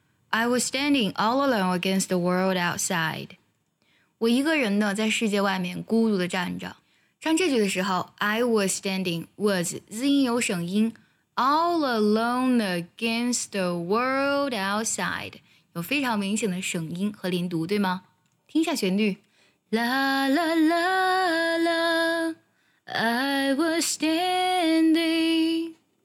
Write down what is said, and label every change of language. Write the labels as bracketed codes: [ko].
[en] I was standing all alone against the world outside. [zh] 我一个人呢在世界外面孤独地站着。唱这句的时候 [en] I was standing, was, [zh] 字音有省音 [en] all alone against the world outside. [zh] 有非常明显的省音和连读，对吗？听一下旋律。 [en] La la la la, I was standing.